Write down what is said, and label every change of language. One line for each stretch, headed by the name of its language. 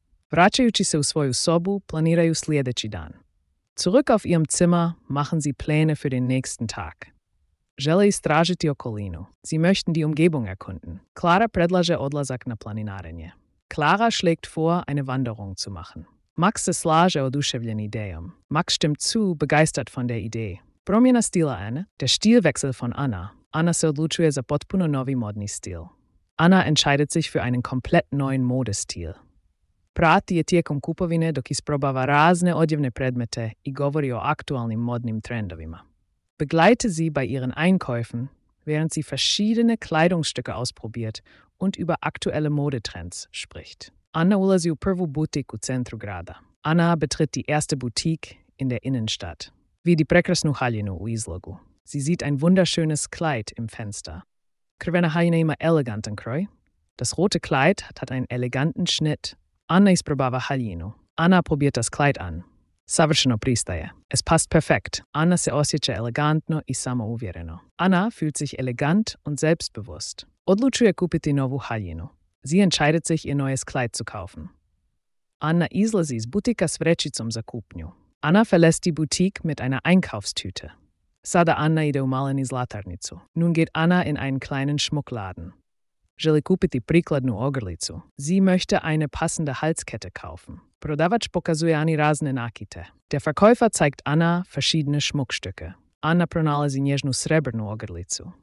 Croatian: Vraćajući se u svoju sobu, planiraju sljedeći dan.
German: Zurück auf ihrem Zimmer machen sie Pläne für den nächsten Tag.
Croatian: Žele istražiti okolinu.
German: Sie möchten die Umgebung erkunden.
Croatian: Clara predlaže odlazak na planinarenje.
German: Clara schlägt vor, eine Wanderung zu machen.
Croatian: Max se slaže oduševljen idejom.
German: Max stimmt zu, begeistert von der Idee.
Croatian: Promjena stila Anne,
German: der Stilwechsel von Anna.
Croatian: Anna se odlučuje za potpuno novi modni stil.
German: Anna entscheidet sich für einen komplett neuen Modestil.
Croatian: Prati je tijekom kupovine dok isprobava razne odjevne predmete i govori o aktualnim modnim trendovima.
German: begleite sie bei ihren Einkäufen, während sie verschiedene Kleidungsstücke ausprobiert und über aktuelle Modetrends spricht.
Croatian: Anna ulazi u prvu butiku centru grada.
German: Anna betritt die erste Boutique in der Innenstadt.
Croatian: Vidi prekrasnu haljinu u izlogu.
German: Sie sieht ein wunderschönes Kleid im Fenster.
Croatian: Krvena haljina ima elegantan kroj.
German: Das rote Kleid hat einen eleganten Schnitt.
Croatian: Anna isprobava haljinu.
German: Anna probiert das Kleid an.
Croatian: Savršeno pristaje.
German: Es passt perfekt.
Croatian: Anna se osjeća elegantno i samouvjereno.
German: Anna fühlt sich elegant und selbstbewusst.
Croatian: Odlučuje kupiti novu haljinu.
German: Sie entscheidet sich, ihr neues Kleid zu kaufen.
Croatian: Anna izlazi iz butika s vrećicom za kupnju.
German: Anna verlässt die Boutique mit einer Einkaufstüte.
Croatian: Sada Anna ide u maleni zlatarnicu.
German: Nun geht Anna in einen kleinen Schmuckladen.
Croatian: Želi kupiti prikladnu ogrlicu.
German: Sie möchte eine passende Halskette kaufen.
Croatian: Prodavač pokazuje Ani razne nakite.
German: Der Verkäufer zeigt Anna verschiedene Schmuckstücke.
Croatian: Anna pronalazi nježnu srebrnu ogrlicu.